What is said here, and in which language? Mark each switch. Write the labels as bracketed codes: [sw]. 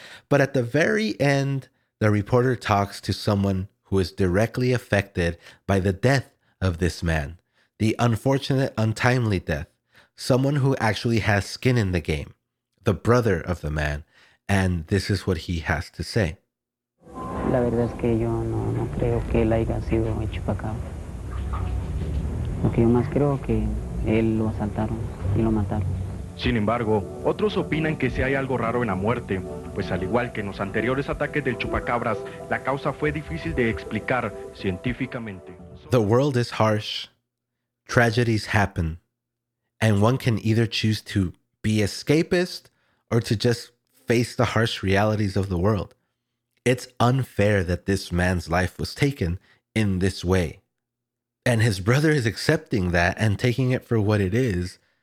[en] But at the very end, the reporter talks to someone who is directly affected by the death of this man, the unfortunate, untimely death, someone who actually has skin in the game, the brother of the man, and this is what he has to say. [es] La verdad es que yo no creo que él haya sido el Chupacabra. Lo que yo más creo que él lo asaltaron y lo mataron. Sin embargo, otros opinan que si hay algo raro en la muerte, pues al igual que en los anteriores ataques del Chupacabras, la causa fue difícil de explicar científicamente. [en] The world is harsh. Tragedies happen. And one can either choose to be escapist or to just face the harsh realities of the world. It's unfair that this man's life was taken in this way. And his brother is accepting that and taking it for what it is.